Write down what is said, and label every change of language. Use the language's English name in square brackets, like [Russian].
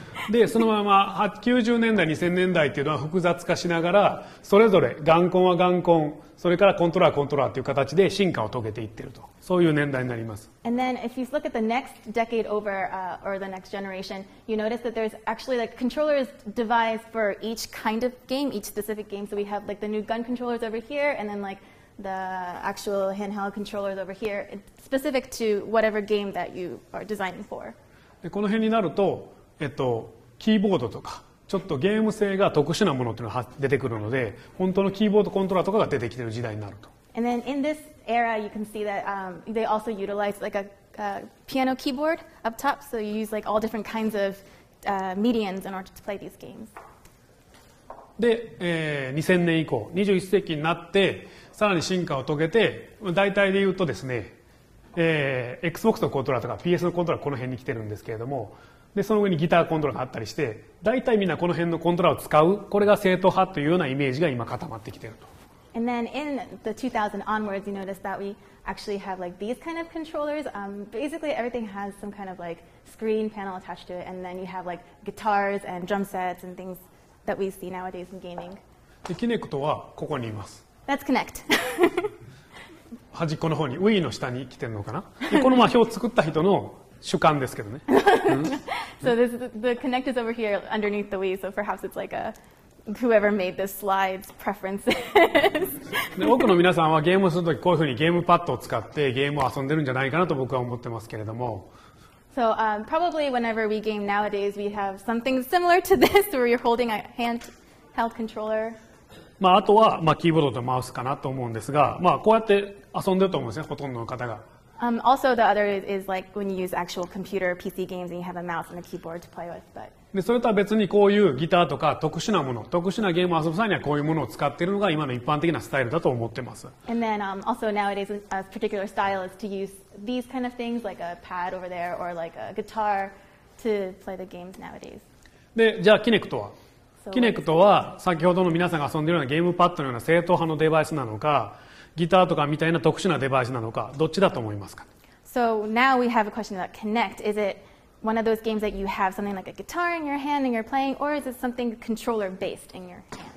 [Japanese] で、そのまま90年代、2000年代っていうのは複雑化しながら、それぞれガンコンはガンコン、それからコントローラーはコントローラーという形で進化を遂げていっていると、そういう年代になります。 [English] And then if you look at the next decade over, or the next generation, you notice that there's actually like controllers devised for each kind of game, each specific game. So we have like the new gun controllers over here, and then like the actual handheld controllers over here. Specific to whatever game that you are designing for. [Japanese] でこの辺になると、キーボードとかちょっとゲーム性が特殊なものっていうのが出てくるので本当のキーボードコントローラーとかが出てきてる時代になると。 [English] And then in this era, you can see that, they also utilize like a piano keyboard up top, so you use like all different kinds of, mediums in order to play these games. [Japanese] で、2000年以降、21世紀になってさらに進化を遂げて、大体で言うとですね。 Xbox のコントローラーとか PS のコントローラーこの辺に来てるんですけれどもでその上にギターコントローラーがあったりして大体みんなこの辺のコントローラーを使うこれが正統派というようなイメージが今固まってきてると。 [English] And then in the 2000 onwards you notice that we actually have like these kind of controllers. Basically everything has some kind of like screen panel attached to it and then you have like guitars and drum sets and things that we see nowadays in gaming. Let's connect. So this, the connect is over here underneath the Wii, so perhaps it's like a whoever made this slide's preferences. So probably whenever we game nowadays, we have something similar to this where you're holding a handheld controller. Also, the other is like when you use actual computer PC games and you have a mouse and a keyboard to play with. But [Japanese] それとは別にこういうギターとか特殊なもの、特殊なゲームを遊ぶ際にはこういうものを使っているのが今の一般的なスタイルだと思っています。 [English] And then, also nowadays, a particular style is to use these kind of things, like a pad over there or like a guitar to play the games nowadays. [Japanese] で、じゃあ、キネクトは？キネクトは先ほどの皆さんが遊んでいるようなゲームパッドのような正統派のデバイスなのか、ギターとかみたいな特殊なデバイスなのか、どっちだと思いますか？ [English] So now we have a question about Kinect. Is it one of those games that you have something like a guitar in your hand and you're playing, or is it something controller based in your hand?